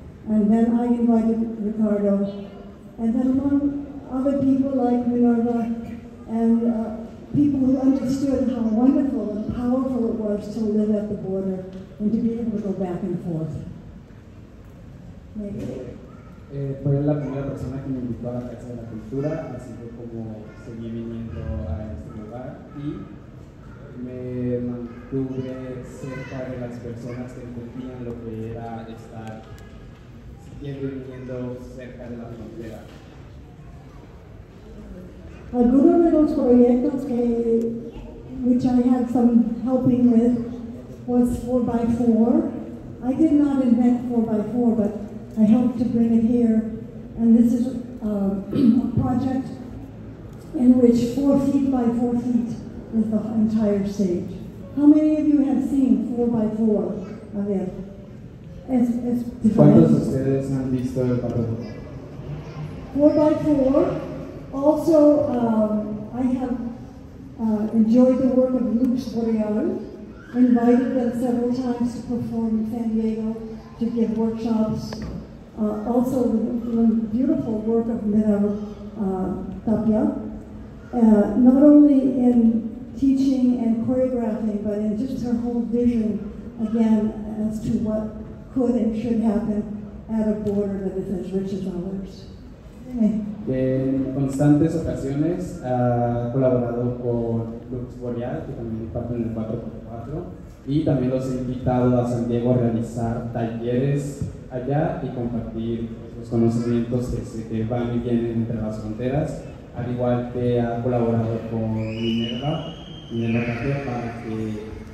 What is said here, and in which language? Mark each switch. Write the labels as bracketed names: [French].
[English] And then I invited Ricardo, and then among other people like Minerva, and people who understood how wonderful and powerful it was to live at the border and to be able to go back and forth. Maybe. [Spanish] Fue la primera persona que me invitó a la Casa de la Cultura, así que como seguí viniendo a este lugar y me mantuve cerca de las personas que entendían lo que era estar siguiendo y viniendo cerca de la frontera. Algunos de los proyectos que [English] which I had some helping with was 4x4. I did not invent 4x4, but I helped to bring it here, and this is a project in which 4 feet by 4 feet is the entire stage. How many of you have seen 4x4? [Spanish] A ver. ¿Cuántos ustedes han visto el papel? [English] 4x4. Also, I have enjoyed the work of Luke Boreal, invited them several times to perform in San Diego to give workshops. Also, the beautiful work of Minerva Tapia, not only in teaching and choreographing, but in just her whole vision, again, as to what could and should happen at a border that is as rich as ours. [Spanish] En constantes ocasiones ha colaborado con Lux Boreal, que también parte en el 4x4, y también los he invitado a San Diego a realizar talleres allá y compartir los conocimientos que van y vienen entre las fronteras, al igual que ha colaborado con Minerva Tapia, para que